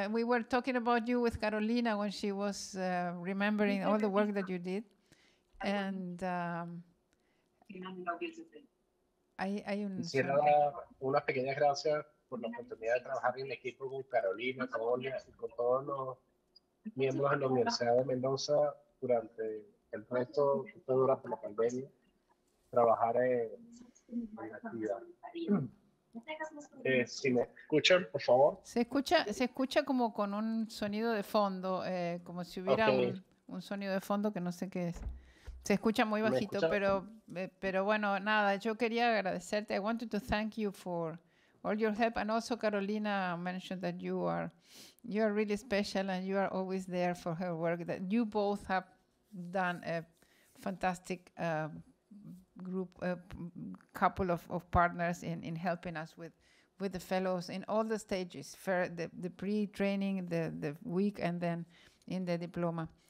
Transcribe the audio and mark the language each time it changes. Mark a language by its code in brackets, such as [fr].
[en] We were talking about you with Carolina when she was remembering all the work that you did. And [es] quisiera dar unas pequeñas gracias por la oportunidad de trabajar en equipo con Carolina, con todos los miembros de la Universidad de Mendoza durante el resto que durante la pandemia, trabajar en actividad. Si me escuchan, por favor. Se escucha como con un sonido de fondo, como si hubiera un sonido de fondo que no sé qué es. Se escucha muy bajito, pero bueno, nada, yo quería agradecerte. [en] I wanted to thank you for all your help. And also Carolina mentioned that you are really special and you are always there for her work. That you both have done a fantastic couple of partners in helping us with the fellows in all the stages, for the pre-training, the week, and then in the diploma.